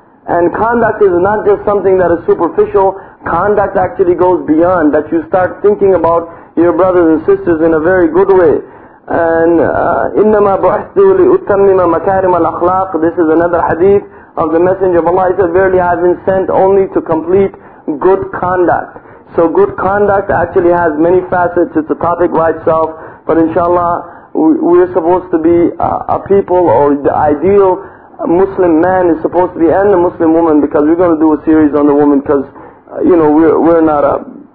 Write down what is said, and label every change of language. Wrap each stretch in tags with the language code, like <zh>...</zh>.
<en>And conduct is not just something that is superficial. Conduct actually goes beyond that. You start thinking about your brothers and sisters in a very good way. And</en> <ar>إِنَّمَا بُعْثُوا لِأُتَّمِّمَ مَكَارِمَ الْأَخْلَاقِ.</ar> <en>This is another hadith of the Messenger of Allah. He said, verily I have been sent only to complete good conduct. So good conduct actually has many facets. It's a topic by itself. But inshallah, we are supposed to be a people, or the ideal Muslim man is supposed to be, and the Muslim woman, because we're going to do a series on the woman, because we're not a</en>